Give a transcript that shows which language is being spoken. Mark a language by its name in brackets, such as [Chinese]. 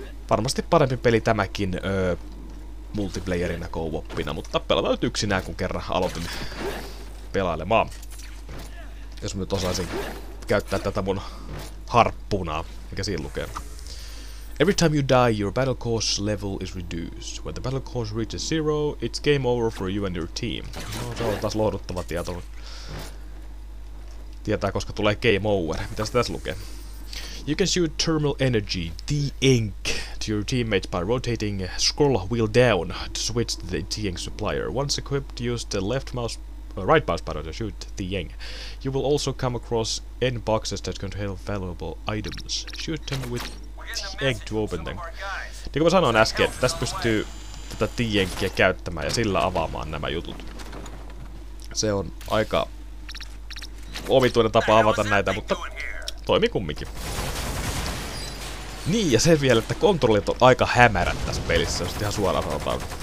[Finnish] Varmasti parempi peli tämäkin multiplayerinä co-opina, mutta pelataan nyt yksinään, kun kerran aloitin pelailemaan. Jos mä nyt osaisin käyttää tätä mun harppunaa, mikä siinä lukee. [English] Every time you die, your battle course level is reduced. When the battle course reaches zero, it's game over for you and your team. [Finnish] No, se on taas lohduttava tieto. Tietää, koska tulee game over. Mitä se tässä lukee? [English] You can shoot thermal energy, the ink, to your teammates by rotating scroll wheel down to switch to the T-Ink supplier. Once equipped, use the left mouse, right mouse button to shoot the ink. You will also come across N boxes that contain valuable items. Shoot them with T-Ink to open them. [Finnish] Niin kuin mä sanoin äsken, tässä pystyy tätä T-Inkia käyttämään ja sillä avaamaan nämä jutut. Se on aika omituinen tapa avata näitä, mutta toimii kumminkin. Niin, ja sen vielä, että kontrollit on aika hämärät tässä pelissä, jos ihan suoraan sanotaan.